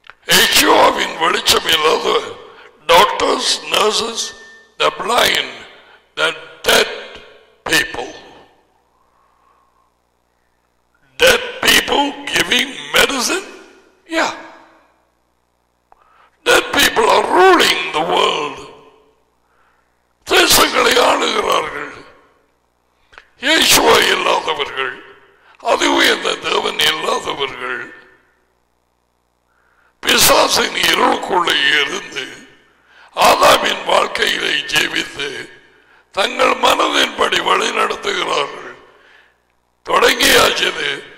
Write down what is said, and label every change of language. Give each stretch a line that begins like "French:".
Tamil: யேசுவாவின் வெளிச்சம் இல்லாத
English: Doctors, nurses, the blind, the dead people, dead people giving medicine? Yeah. Dead people are ruling the world.
Tamil: தேசங்களை ஆளுகிறார்கள். யேசுவா இல்லாதவர்கள், அதி உயர்ந்த தேவன் இல்லாதவர்கள், பிசாசின் இருளுக்குள்ளே இருந்து ஆதாமின் வாழ்க்கையிலே ஜீவித்து தங்கள் மனதின்படி வழி நடத்துகிறார்கள். தொடங்கியாச்சது.